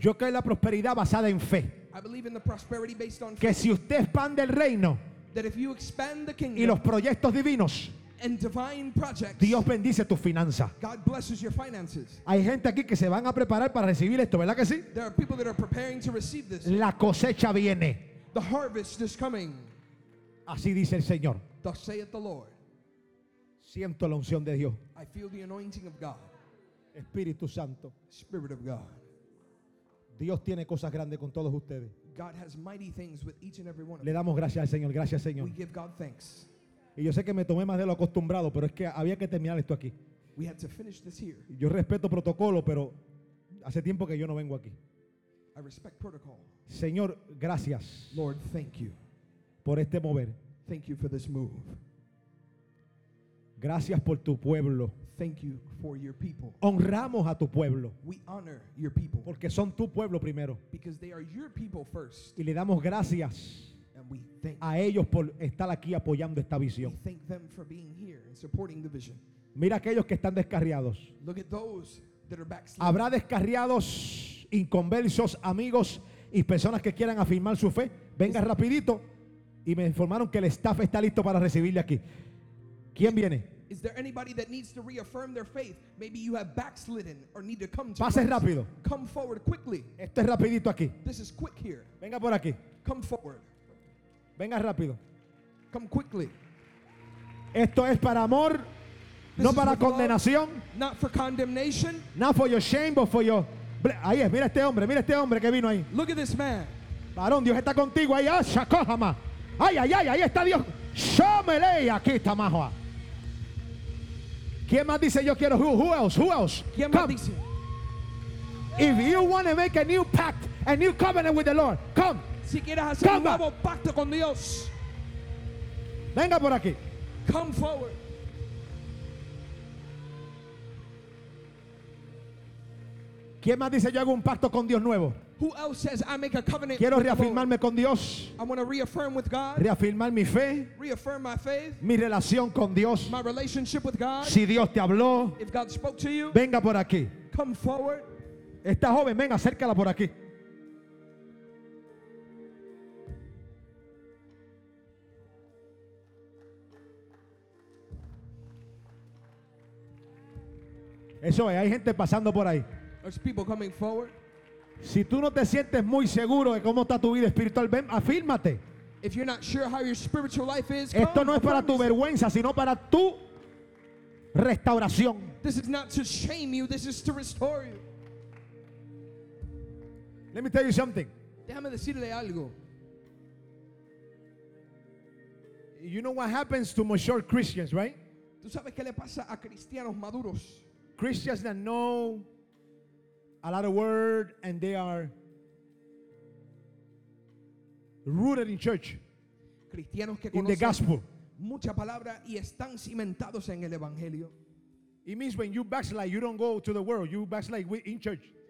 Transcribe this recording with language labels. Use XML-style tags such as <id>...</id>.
<es>Yo creo en la prosperidad basada en fe.</es> <en>I believe in the prosperity based on</en> <es>que</es> <en>faith.</en> <es>Si usted expande el reino.</es> <en>That if you expand the kingdom.</en> <es>Y los proyectos divinos.</es> <en>And divine projects.</en> <es>Dios bendice tus finanzas.</es> <en>God blesses your finances.</en> <es>Hay gente aquí que se van a preparar para recibir esto, ¿verdad que sí?</es> <en>There are people that are preparing to receive this.</en> <es>La cosecha viene.</es> <en>The harvest is coming.</en> <es>Así dice el Señor.</es> <en>Thus saith the Lord.</en> <es>Siento la unción de Dios.</es> <en>I feel the anointing of God.</en> <es>Espíritu Santo.</es> <en>Spirit of God.</en> <es>Dios tiene cosas grandes con todos ustedes.</es> <en>God has mighty things with each and every one of you.</en> <es>Le damos gracias al Señor. Gracias, Señor.</es> <en>We give God thanks.</en> <es>Y yo sé que me tomé más de lo acostumbrado, pero es que había que terminar esto aquí.</es> <en>We had to finish this here.</en> <es>Yo respeto protocolo, pero hace tiempo que yo no vengo aquí.</es> <en>I respect protocol.</en> <es>Señor, gracias.</es> <en>Lord, thank you.</en> <es>Por este mover.</es> <en>Thank you for this move.</en> <es>Gracias por tu pueblo.</es> <en>Thank you for your people.</en> <es>Honramos a tu pueblo.</es> <en>We honor your people.</en> <es>Porque son tu pueblo primero.</es> <en>Because they are your people first.</en> <es>Y le damos gracias.</es> <en>And we thank</en> <es>a ellos por estar aquí apoyando esta visión.</es> <en>We thank them for being here and supporting the vision.</en> <es>Mira aquellos que están descarriados.</es> <en>Look at those that are backsliding.</en> <es>Habrá descarriados, inconversos, amigos y personas que quieran afirmar su fe. Venga rapidito. Y me informaron que el staff está listo para recibirle aquí. ¿Quién viene?</es> <en>Is there anybody that needs to reaffirm their faith? Maybe you have backslidden or need to come to</en> <es>pase</es> <en>Christ.</en> <es>Rápido.</es> <en>Come forward quickly.</en> <es>Esto es rapidito aquí.</es> <en>This is quick here.</en> <es>Venga por aquí.</es> <en>Come forward.</en> <es>Venga rápido.</es> <en>Come quickly.</en> <es>Esto es para amor,</es> <en>this</en> <es>no para condenación.</es> <en>Love, not for condemnation. Not for your shame, but for your...</en> <es>Ahí es, mira este hombre que vino ahí.</es> <en>Look at this man.</en> <es>Varón, Dios está contigo ahí. Shakohama. Ay, ay, ay, ahí está Dios. Yo me leí aquí, Tamahua. ¿Quién más dice yo quiero?</es> <en>Who else?</en> <es>¿Quién más dice?</es> <en>If you want to make a new pact, a new covenant with the Lord, come.</en> <es>Si quieres hacer un nuevo pacto con Dios, venga por aquí.</es> <en>Come forward.</en> <es>¿Quién más dice yo hago un pacto con Dios nuevo?</es> <en>Who else says I make a covenant?</en> <es>Quiero reafirmarme con Dios.</es> <en>I want to reaffirm with God.</en> <es>Reafirmar mi fe.</es> <en>Reaffirm my faith.</en> <es>Mi relación con Dios.</es> <en>My relationship with God.</en> <es>Si Dios te habló.</es> <en>If God spoke to you.</en> <es>Venga por aquí.</es> <en>Come forward.</en> <es>Esta joven, venga, acércala por aquí. Eso es, hay gente pasando por ahí.</es> <en>There's people coming forward.</en> <es>Si tú no te sientes muy seguro de cómo está tu vida espiritual, ven, afírmate.</es> <en>If you're not sure how your spiritual life is, come.</en> <es>Esto no es para tu vergüenza, sino para tu restauración.</es> <en>This is not to shame you, this is to restore you. Let me tell you something.</en> <es>Déjame decirle algo.</es> <en>You know what happens to mature Christians, right?</en> <es>¿Tú sabes qué le pasa a cristianos maduros?</es> <en>Christians that know a lot of word and they are rooted in church.</en> <es>Cristianos que</es> <en>in the gospel.</en> <es>Mucha palabra y están cimentados en el evangelio.</es> <en>It means when you backslide, you don't go to the world. You backslide in church.</en>